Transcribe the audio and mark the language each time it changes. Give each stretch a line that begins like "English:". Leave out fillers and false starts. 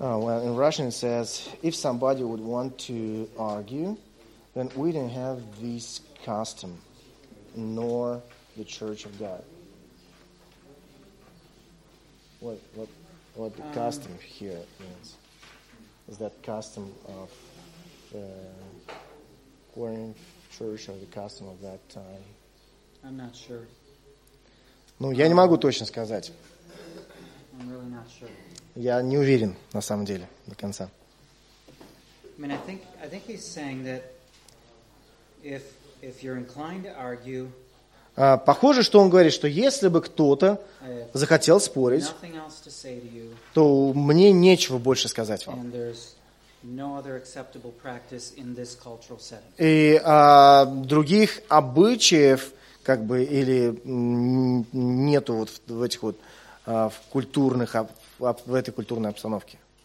English: Oh, well, in Russian it says, if somebody would want to argue, then we didn't have this custom, nor the Church of God. What the custom here means? Is that custom of the Corinth Church or the custom of that time? I'm not sure.
Russian: Ну, я не могу точно сказать.
English: I'm really not sure.
Russian: Я не уверен, на самом деле, до конца.
English: I mean, I think he's saying that if you're inclined to argue,
Russian: похоже, что он говорит, что если бы кто-то захотел спорить,
English: nothing else to say to you,
Russian: то мне нечего больше сказать вам.
English: And there's no other acceptable practice in this cultural setting.
Russian: И других обычаев, как бы, или нету вот в этих вот в культурных, в этой культурной обстановке.